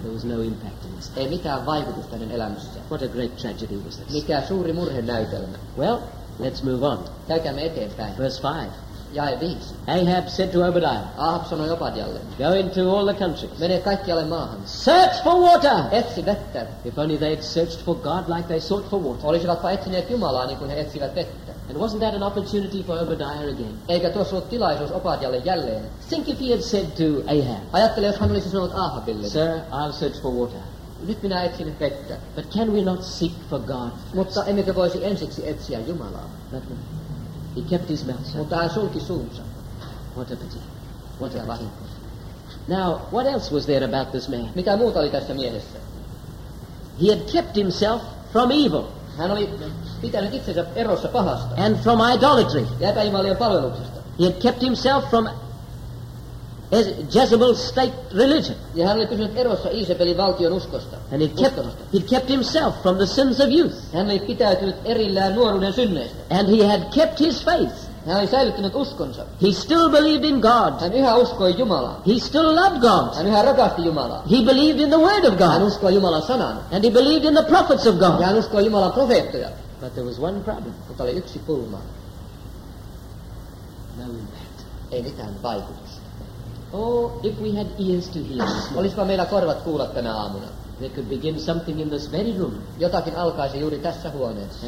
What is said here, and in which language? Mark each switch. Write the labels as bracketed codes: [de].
[en] There was no impact in this. [fi] Ei mitään vaikutusta hänen elämässään. [en] What a great tragedy was this. [fi] Mikä suuri murhenäytelmä. [en] Well, let's move on. [fi] Käykäämme eteenpäin. [en] Verse 5. [fi] Jae 5. [en] Ahab said to Obadiah. [fi] Ahab sanoi Obadialle. [en] Go into all the countries. [fi] Mene kaikkialle maahan. [en] Search for water. [fi] Etsi vettä. [en] If only they had searched for God like they sought for water. [fi] Olisivatpa etsineet Jumalaa niin kuin he etsivät vettä. [en] And wasn't that an opportunity for Obadiah again? [fi] Eikä tuossa ollut tilaisuus Obadialle jälleen. [en] Think if he had said to Ahab. [fi] Ajattele, jos hän olisi sanonut Ahabille. [en] Sir, I'll search for water. [fi] Nyt minä etsin vettä. [en] But can we not seek for God first? [fi] Mutta emmekö voisi ensiksi etsiä Jumalaa? [en] He kept his mouth shut. [fi] Mutta hän sulki suunsa. [en] What a pity. What a pity. Now, what else was there about this man? [fi] Mitä muuta oli tässä mielessä? [en] He had kept himself from evil. [fi] Hän oli pitänyt itsensä erossa pahasta. [en] And from idolatry. [fi] Ja epäjumalien palveluksesta. [en] He had kept himself from Jezebel's state religion. [fi] Ja hän oli pysynyt erossa Iisabelin valtion uskosta. [en] And he kept himself from the sins of youth. [fi] Hän oli pitäytynyt erillään nuoruuden synneistä. [en] And he had kept his faith. [fi] Hän oli säilyttänyt uskonsa. [en] He still believed in God. [fi] Hän yhä uskoi Jumalaa. [en] He still loved God. [fi] Hän yhä rakasti Jumalaa. [en] He believed in the word of God. [fi] Hän uskoi Jumalan sanan. [en] And he believed in the prophets of God. [fi] Ja hän uskoi Jumalan profeettoja. [en] But there was one problem. [fi] Mutta oli yksi pulma. [en] No impact. [fi] Ei mitään vaikutusta. [en] Oh, if we had ears to hear this morning. [fi] Olisipa meillä korvat kuulla tänä aamuna. [en] There could begin something in this very room. [fi] Jotakin alkaisi juuri tässä huoneessa.